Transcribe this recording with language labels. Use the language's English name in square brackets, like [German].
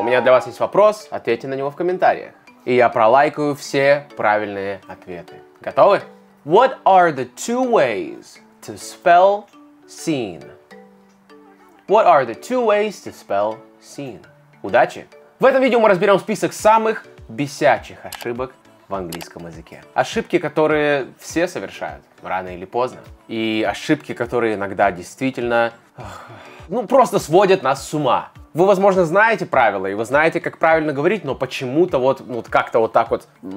[Russian] У меня для вас есть вопрос, ответьте на него в комментариях. И я пролайкаю все правильные ответы. Готовы? [English] What are the two ways to spell scene? What are the two ways to spell scene? [Russian] Удачи! В этом видео мы разберем список самых бесячих ошибок в английском языке. Ошибки, которые все совершают, рано или поздно. И ошибки, которые иногда действительно, ну, просто сводят нас с ума. Вы, возможно, знаете правила, и вы знаете, как правильно говорить, но почему-то вот как-то вот так вот...